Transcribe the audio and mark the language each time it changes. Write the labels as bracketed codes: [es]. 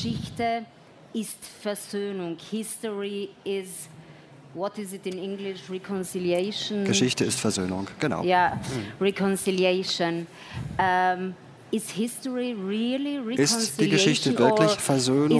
[de] Geschichte ist Versöhnung. [en] History is, what is it in English? Reconciliation. [de] Geschichte ist Versöhnung, genau. Ja, [en] yeah. Reconciliation. Is history really [de] ist die Geschichte wirklich Versöhnung?